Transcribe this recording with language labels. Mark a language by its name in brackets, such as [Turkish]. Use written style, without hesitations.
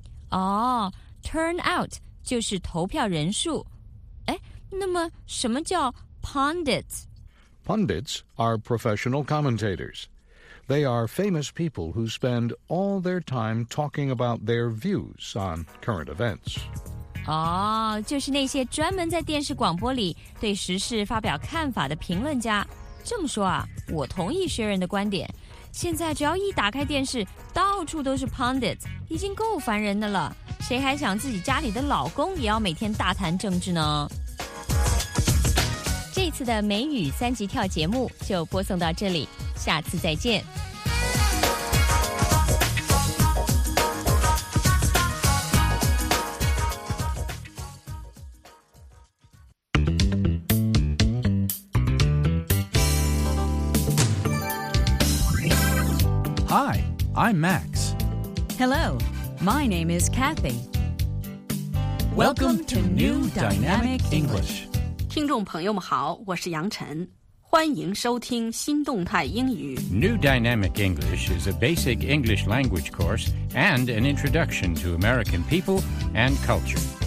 [Chinese] Oh, turnout 就是投票人数。哎，那么什么叫 pundits? [English] Pundits are professional commentators. They are famous people who spend all their time talking about their views on current events. [Chinese] 哦，就是那些专门在电视广播里对时事发表看法的评论家。这么说啊，我同意薛仁的观点。现在只要一打开电视，到处都是 pundits， 已经够烦人的了。谁还想自己家里的老公也要每天大谈政治呢？这次的美语三级跳节目就播送到这里，下次再见。 [English] Hi, I'm Max. Hello, my name is Kathy. Welcome to New Dynamic English. [Chinese] 听众朋友们好，我是杨晨，欢迎收听新动态英语。 [English] New Dynamic English is a basic English language course and an introduction to American people and culture.